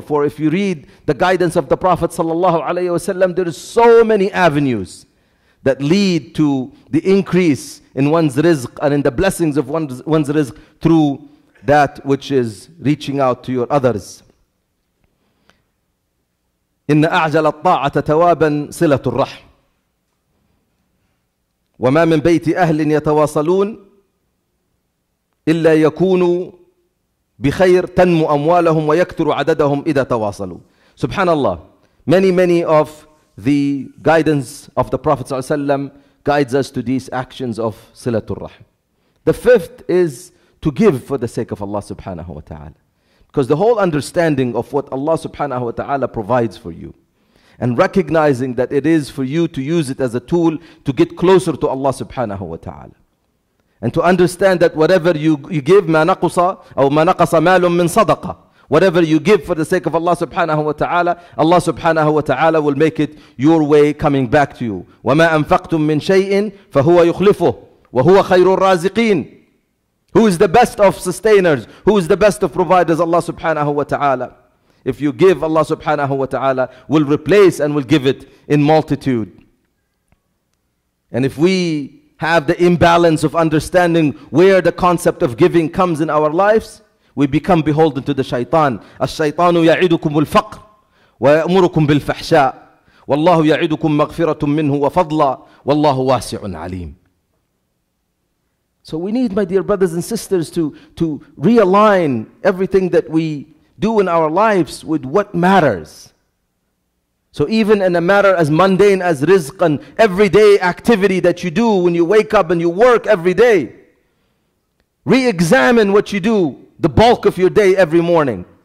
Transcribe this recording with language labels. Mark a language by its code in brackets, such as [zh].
[en] For if you read the guidance of the Prophet sallallahu alayhi wasallam, there are so many avenues that lead to the increase in one's rizq and in the blessings of one's rizq through that which is reaching out to your others. [ar] إن أعجل الطاعة توابا صلة الرحم. وما من بيت أهل يتواصلون إلا يكونوا بخير تنمو أموالهم ويكثر عددهم إذا تواصلوا. Subhanallah. [en] Many of the guidance of the Prophet ﷺ guides us to these actions of Silatul Rahim. The fifth is to give for the sake of Allah subhanahu wa ta'ala. Because the whole understanding of what Allah subhanahu wa ta'ala provides for you and recognizing that it is for you to use it as a tool to get closer to Allah subhanahu wa ta'ala. And to understand that whatever you give, [ar] ما نقص أو ما نقص مال من صدقة. [en] Whatever you give for the sake of Allah subhanahu wa ta'ala, Allah subhanahu wa ta'ala will make it your way coming back to you. [ar] وَمَا أَنْفَقْتُمْ مِنْ شَيْءٍ فَهُوَ يُخْلِفُهُ وَهُوَ خَيْرُ الرَّازِقِينَ. [en] Who is the best of sustainers? Who is the best of providers? Allah subhanahu wa ta'ala. If you give, Allah subhanahu wa ta'ala will replace and will give it in multitude. And if we have the imbalance of understanding where the concept of giving comes in our lives, we become beholden to the shaytan. [ar] الشيطان يعدكم الفقر ويأمركم بالفحشاء والله يعدكم مغفرة منه وفضلا والله واسع عليم. [en] So we need, my dear brothers and sisters, to realign everything that we do in our lives with what matters. So even in a matter as mundane as rizq and everyday activity that you do when you wake up and you work every day, re-examine what you do, the bulk of your day every morning.